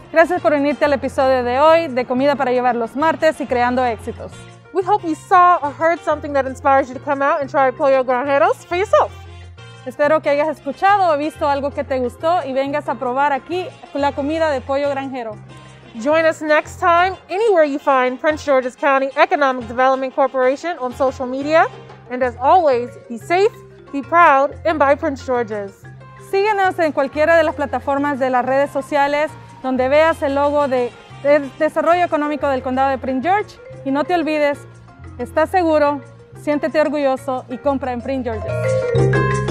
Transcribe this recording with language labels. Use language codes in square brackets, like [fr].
[es] Gracias por unirte al episodio de hoy de Comida para Llevar los Martes y Creando Exitos. [en] We hope you saw or heard something that inspires you to come out and try Pollo Granjeros for yourself. [es] Espero que hayas escuchado o visto algo que te gustó y vengas a probar aquí la comida de Pollo Granjero. [en] Join us next time anywhere you find Prince George's County Economic Development Corporation on social media. And as always, be safe, be proud, and buy Prince George's. [es] Síguenos en cualquiera de las plataformas de las redes sociales donde veas el logo de Desarrollo Económico del Condado de Prince George. Y no te olvides, estás seguro, siéntete orgulloso y compra en Prince George's.